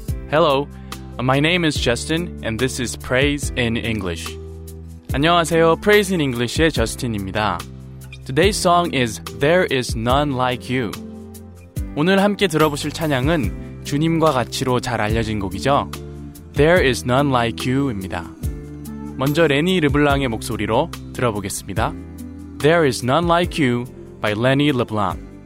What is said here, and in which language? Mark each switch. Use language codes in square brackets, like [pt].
[en] Hello, my name is Justin, and this is Praise in English. [ko] 안녕하세요, Praise in English의 Justin입니다. [en] Today's song is There is None Like You. [ko] 오늘 함께 들어보실 찬양은 주님과 같이로 잘 알려진 곡이죠. There is None Like You입니다. 먼저 레니 르블랑의 목소리로 들어보겠습니다. [en] There is None Like You by Lenny LeBlanc.